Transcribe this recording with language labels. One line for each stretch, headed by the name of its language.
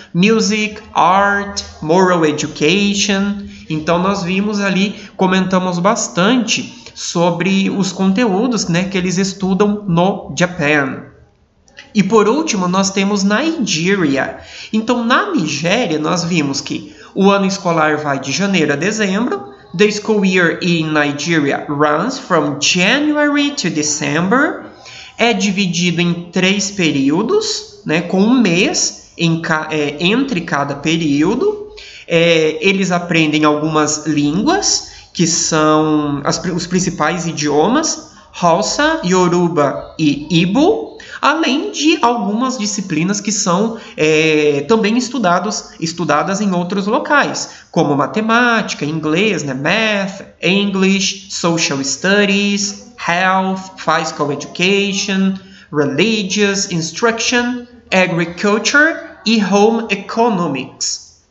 English: Music, art, moral education.
Portuguese: Então, nós vimos ali, comentamos bastante sobre os conteúdos, né, que eles estudam no Japan. E, por último, nós temos Nigeria. Então, na Nigéria, nós vimos que o ano escolar vai de janeiro a dezembro.
English: The school year in Nigeria runs from January to December.
Portuguese: É dividido em 3 períodos, né, com 1 mês entre cada período. Eles aprendem algumas línguas, que são os principais idiomas, Hausa, Yoruba e Igbo, além de algumas disciplinas que são também estudadas em outros locais, como matemática, inglês, né,
English: math, English, social studies, health, physical education, religious instruction, agriculture
Portuguese: e
English: home economics.